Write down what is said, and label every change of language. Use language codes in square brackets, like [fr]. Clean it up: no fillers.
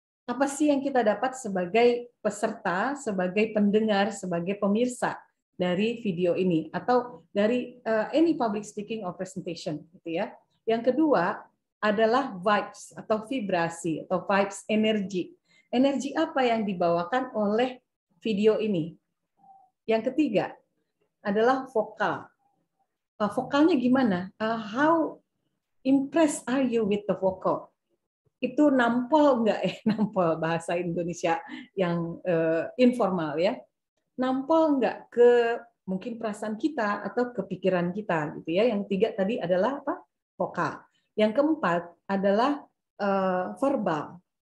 [id] Apa sih yang kita dapat sebagai peserta, sebagai pendengar, sebagai pemirsa dari video ini atau dari [en] any public speaking or presentation, [id] gitu ya. Yang kedua adalah vibes atau vibrasi atau vibes energi. Energi apa yang dibawakan oleh video ini? Yang ketiga adalah vokal. Vokalnya gimana? [en] How impressed are you with the vocal? [id] Itu nampol nggak ya? Nampol bahasa Indonesia yang informal ya. Nampol nggak ke mungkin perasaan kita atau kepikiran kita gitu ya. Yang ketiga tadi adalah apa? Vokal. Yang keempat adalah verbal.